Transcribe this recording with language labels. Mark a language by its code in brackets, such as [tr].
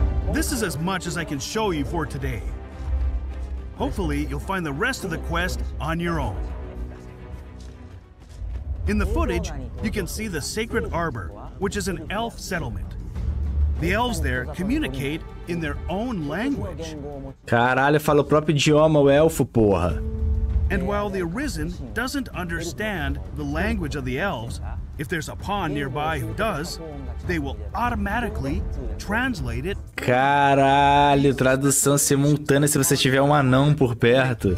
[en] This is as much as I can show you for today. Hopefully, you'll find the rest of the quest on your own. In the footage, you can see the Sacred Arbor, which is an elf settlement. The elves there communicate in their own language. [pt] Caralho, fala o próprio idioma o elfo, porra. [en] And while the Arisen doesn't understand the language of the elves, if there's a pawn nearby who does, they will automatically translate it. [pt] Caralho, tradução simultânea se você tiver um anão por perto.